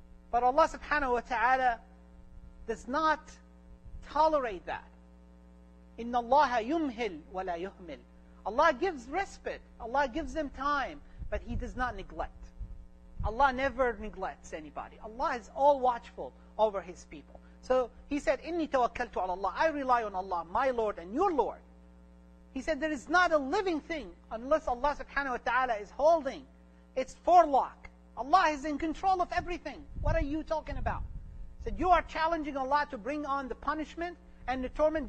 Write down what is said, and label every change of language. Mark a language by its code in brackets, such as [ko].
[en] But Allah subhanahu wa ta'ala does not tolerate that. [ar] إِنَّ اللَّهَ يُمْهِلْ وَلَا يُهْمِلْ. [en] Allah gives respite. Allah gives them time. But He does not neglect. Allah never neglects anybody. Allah is all watchful over His people. So He said, [ar] إِنِّي تَوَكَّلْتُ عَلَى اللَّهِ. [en] I rely on Allah, my Lord and your Lord. He said, there is not a living thing unless Allah subhanahu wa ta'ala is holding its forelock. Allah is in control of everything. What are you talking about? He said, you are challenging Allah to bring on the punishment and the torment.